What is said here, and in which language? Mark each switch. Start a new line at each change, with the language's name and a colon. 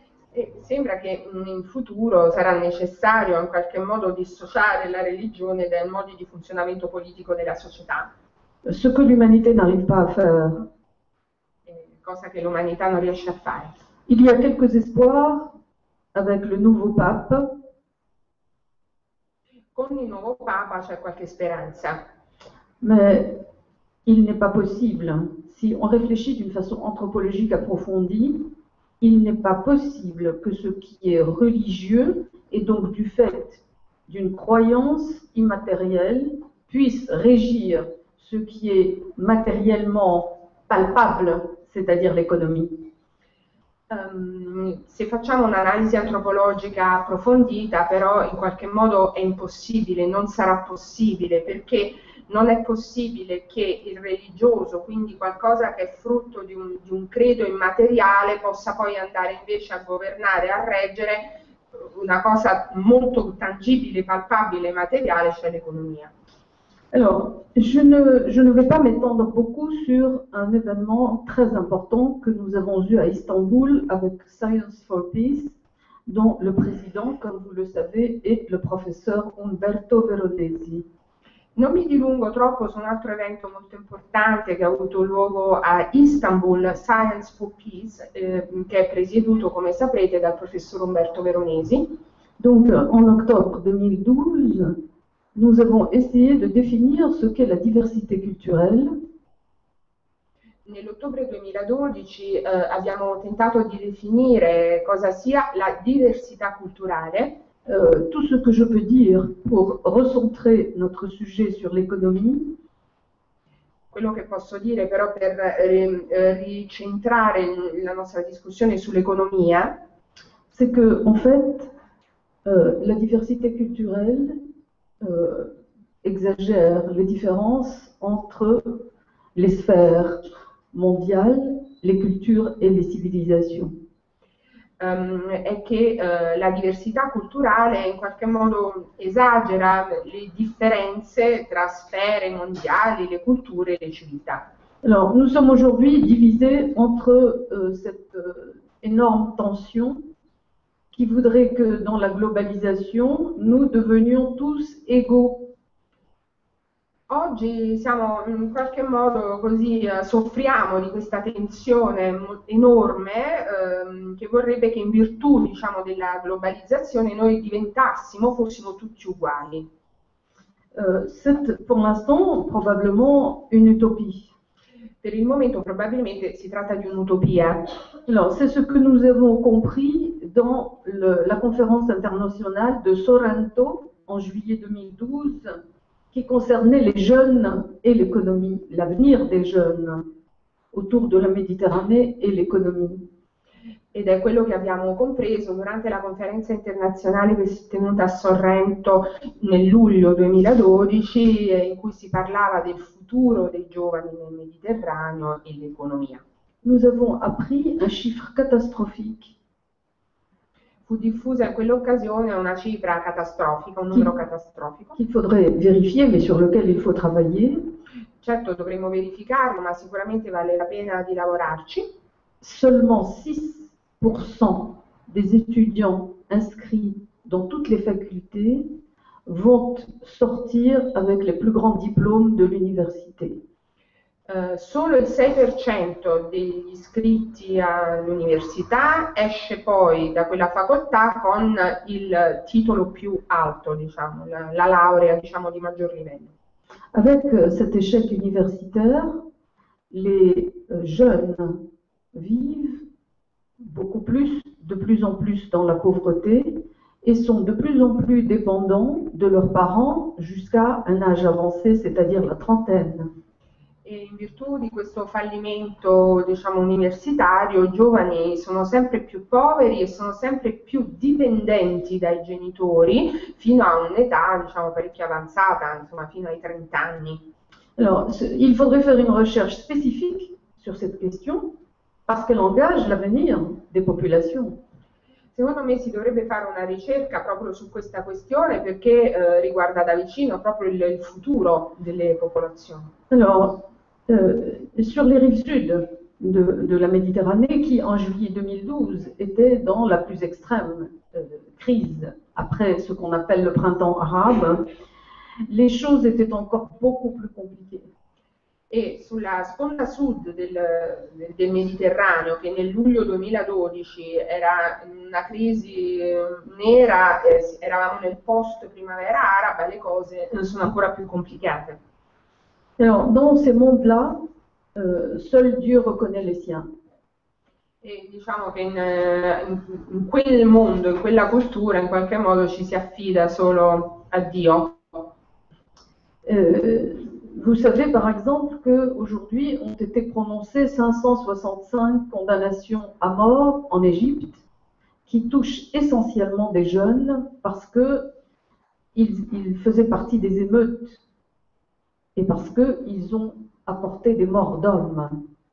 Italian: E sembra che in futuro sarà necessario in qualche modo dissociare la religione dai modi di funzionamento politico della società.
French: Ce que l'humanité n'arrive pas à faire.
Italian: Cosa che l'umanità non riesce a fare.
French: Il y a quelques espoirs. Avec le nouveau pape.
Italian: Con il nuovo papa c'è qualche speranza.
French: Mais Il n'est pas possible, si on réfléchit d'une façon anthropologique approfondie, il n'est pas possible que ce qui est religieux et donc du fait d'une croyance immatérielle puisse régir ce qui est matériellement palpable, c'est-à-dire l'économie.
Italian: Se facciamo un'analisi antropologica approfondita, però in qualche modo è impossibile, non sarà possibile, perché non è possibile che il religioso, quindi qualcosa che è frutto di un credo immateriale, possa poi andare invece a governare, a reggere una cosa molto tangibile, palpabile, materiale, cioè l'economia.
French: Alors, je ne vais pas m'étendre beaucoup sur un événement très important que nous avons eu à Istanbul avec Science for Peace, dont le président, comme vous le savez, est le professeur Umberto Veronesi.
Italian: Non mi dilungo troppo su un altro evento molto importante che ha avuto luogo a Istanbul, Science for Peace, che è presieduto, come saprete, dal professor Umberto Veronesi.
French: Donc, en octobre 2012, nous avons essayé de définir ce qu'est la diversité culturelle.
Italian: Nell'ottobre 2012, abbiamo tentato di definire cosa sia la diversità culturale.
French: Tout ce que je peux dire pour recentrer notre sujet sur l'économie.
Italian: Quello che posso dire però per ricentrare la nostra discussione sull'economia.
French: C'est que, en fait, la diversité culturelle exagère les différences entre les sphères mondiales, les cultures et les civilisations.
Italian: È che la diversità culturale in qualche modo esagera le differenze tra sfere mondiali, le culture e le civiltà.
French: Alors, nous sommes aujourd'hui divisés entre cette énorme tension qui voudrait que dans la globalisation, nous devenions tous égaux.
Italian: Oggi siamo in qualche modo così, soffriamo di questa tensione enorme, che vorrebbe che in virtù, diciamo, della globalizzazione noi diventassimo, fossimo tutti uguali.
French: C'est pour l'instant probablement une utopie.
Italian: Per il momento probabilmente si tratta di un'utopia.
French: Alors, c'est ce que nous avons compris dans la conférence internationale de Sorrento en juillet 2012, qui concernait les jeunes et l'économie, l'avenir des jeunes autour de la Méditerranée et l'économie.
Italian: Ed è quello che abbiamo compreso durante la conferenza internazionale che si è tenuta a Sorrento nel luglio 2012, in cui si parlava del futuro dei giovani nel Mediterraneo e dell'economia.
French: Nous avons appris un chiffre catastrophique
Italian: Fu diffusa in quell'occasione una cifra catastrofica, un numero catastrofico.
French: qu'il faudrait vérifier, mais sur lequel il faut travailler.
Italian: Certo, dovremmo verificarlo, ma sicuramente vale la pena di lavorarci.
French: Seulement 6% des étudiants inscrits dans toutes les facultés vont sortir avec les plus grands diplômes de l'université.
Italian: Solo il 6% degli iscritti all'università esce poi da quella facoltà con il titolo più alto, diciamo, la laurea, diciamo, di maggior livello.
French: Avec cet échec universitaire, les jeunes vivent beaucoup plus, de plus en plus dans la pauvreté et sont de plus en plus dépendants de leurs parents jusqu'à un âge avancé, c'est-à-dire la trentaine.
Italian: E in virtù di questo fallimento, diciamo, universitario, i giovani sono sempre più poveri e sono sempre più dipendenti dai genitori fino a un'età, diciamo, parecchio avanzata, insomma, fino ai 30 anni.
French: Alors, il faudrait faire une recherche spécifique sur cette question parce qu'elle engage l'avenir des populations.
Italian: Secondo me si dovrebbe fare una ricerca proprio su questa questione perché riguarda da vicino proprio il futuro delle popolazioni.
French: Alors, sur les rives sud de la Méditerranée, qui en juillet 2012 était dans la plus extrême crise après ce qu'on appelle le printemps arabe, les choses étaient encore beaucoup plus compliquées.
Italian: E sulla sponda sud del Mediterraneo, che nel luglio 2012 era una crisi nera, eravamo nel post primavera araba, le cose sono ancora più complicate.
French: Alors, dans ces mondes-là, seul Dieu reconnaît les siens.
Italian: E diciamo che in quel mondo, in quella cultura, in qualche modo ci si affida solo a Dio.
French: Vous savez par exemple qu'aujourd'hui ont été prononcées 565 condamnations à mort en Égypte, qui touchent essentiellement des jeunes parce qu'ils faisaient partie des émeutes et parce qu'ils ont apporté des morts d'hommes.